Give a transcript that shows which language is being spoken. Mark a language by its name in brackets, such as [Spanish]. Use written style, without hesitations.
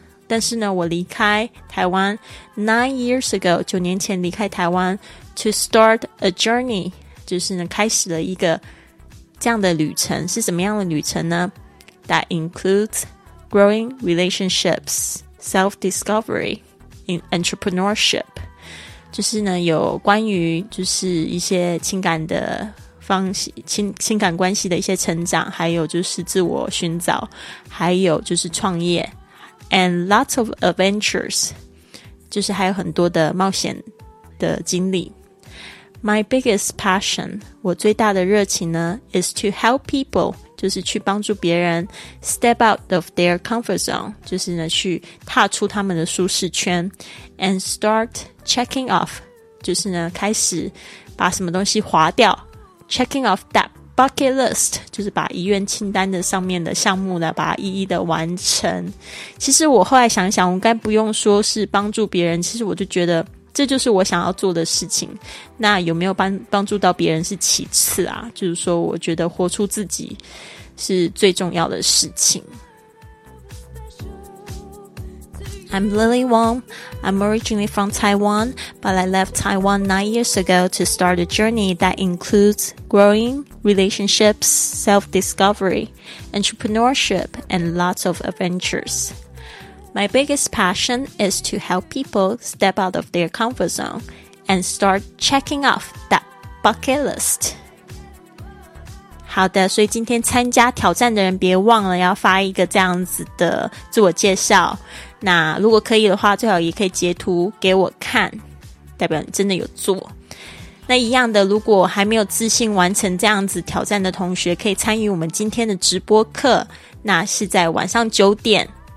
[Chinese] 但是呢我离开台湾 [English] 9 years ago [Chinese] 九年前离开台湾 [English] to start a journey [Chinese] 就是呢开始了一个这样的旅程。是什么样的旅程呢？ [English] That includes growing relationships, self-discovery, in entrepreneurship. [Chinese] 就是呢有关于就是一些情感的方式， 情感关系的一些成长，还有就是自我寻找，还有就是创业。 [English] And lots of adventures, [Chinese] 就是还有很多的冒险的经历。 [English] My biggest passion, [Chinese] 我最大的热情呢 [English] is to help people, [Chinese] 就是去帮助别人 [English] step out of their comfort zone, [Chinese] 就是呢去踏出他们的舒适圈 [English] and start checking off, [Chinese] 就是呢开始把什么东西划掉 [English] checking off that bucket list, [Chinese] 就是把遗愿清单的上面的项目呢把它一一的完成。其实我后来想想，我该不用说是帮助别人，其实我就觉得这就是我想要做的事情，那有没有帮助到别人是其次啊，就是说我觉得活出自己是最重要的事情。 [English] I'm Lily Wong, I'm originally from Taiwan, but I left Taiwan 9 years ago to start a journey that includes growingrelationships, self-discovery, entrepreneurship, and lots of adventures. My biggest passion is to help people step out of their comfort zone and start checking off that bucket list. [Chinese] 好的，所以今天参加挑战的人别忘了要发一个这样子的自我介绍。那如果可以的话，最好也可以截图给我看，代表你真的有做。那一样的，如果还没有自信完成这样子挑战的同学，可以参与我们今天的直播课，那是在晚上9点。